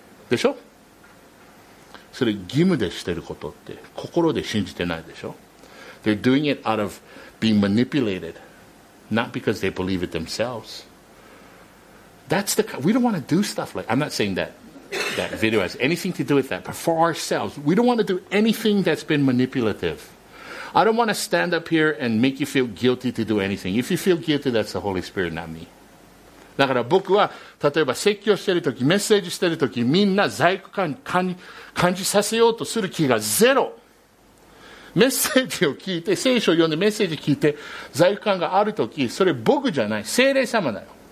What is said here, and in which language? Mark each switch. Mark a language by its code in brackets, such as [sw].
[ja] でしょ、それ義務でしてることって心で信じてないでしょ。 [en] They're doing it out of being manipulated, not because they believe it themselves. That's the, we don't want to do stuff like, I'm not saying thatthat video has anything to do with that, but for ourselves, we don't want to do anything that's been manipulative. I don't want to stand up here and make you feel guilty to do anything. If you feel guilty, that's the Holy Spirit, not me. [ja] だから僕は、例えば説教してるとき、メッセージしてるとき、みんな罪悪感感じさせようとする気がゼロ。メッセージを聞いて、聖書を読んでメッセージ聞いて罪悪感があるとき、それ僕じゃない、聖霊様だよ。